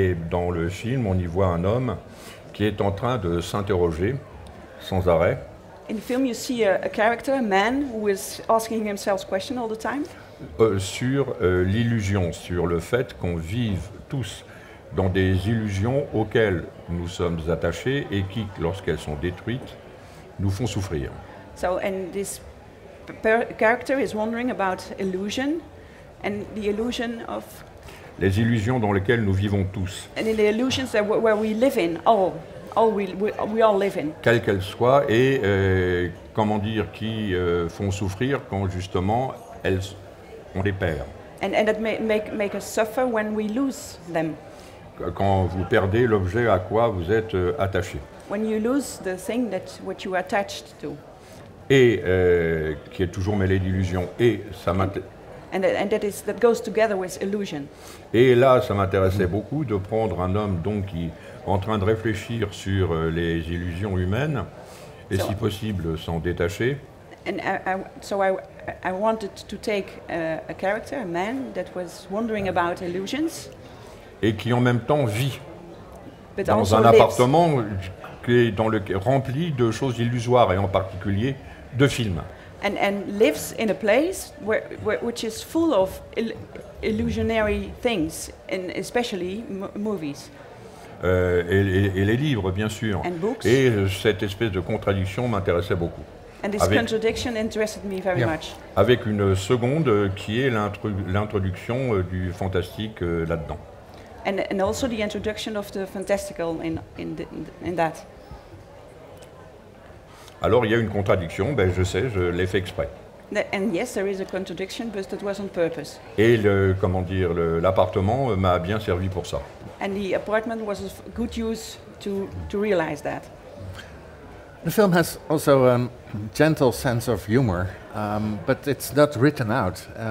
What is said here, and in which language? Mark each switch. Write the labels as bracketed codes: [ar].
[fr] Dans le film, on y voit un homme qui est en train de s'interroger sans arrêt. [en] In the film, you see a character, a man, who is asking himself questions all the time. [fr] Sur l'illusion, sur le fait qu'on vive tous dans des illusions auxquelles nous sommes attachés et qui, lorsqu'elles sont détruites, nous font souffrir. [en] So, and this character is wondering about illusion. And the illusion of [fr] les illusions dans lesquelles nous vivons tous. [en] And the illusions that where we live in, all we all live in. [fr] Quelles qu'elles soient, et comment dire, qui font souffrir quand justement elles on les perd. [en] And that make us suffer when we lose them. [fr] Quand vous perdez l'objet à quoi vous êtes attaché. [en] When you lose the thing that what you are attached to. [fr] Et qui est toujours mêlé d'illusions. Et ça m'intéresse. [en] And that is that goes together with illusion. [fr] Et là, ça m'intéressait beaucoup de prendre un homme donc qui est en train de réfléchir sur les illusions humaines et [en] so, [fr] si possible s'en détacher. [en] And I wanted to take a character, a man that was wondering about illusions. [fr] Et qui en même temps vit [en] but [fr] dans un appartement qui est dans le rempli de choses illusoires et en particulier de films. [en] And lives in a place where which is full of illusionary things, and especially movies. [fr] Et les livres, bien sûr. [en] And books. [fr] Et cette espèce de contradiction m'intéressait beaucoup. [en] And this contradiction interested me very much. [fr] Avec une seconde qui est l'introduction du fantastique là-dedans. [en] And also the introduction of the fantastical in that. [fr] Alors il y a une contradiction, ben je sais, je l'ai fait exprès. [en] And yes, there is a contradiction, but it was on purpose. [fr] Et l'appartement m'a bien servi pour ça. [en] And the apartment was a good use to realize that. The film has also a gentle sense of humor, but it's not written out.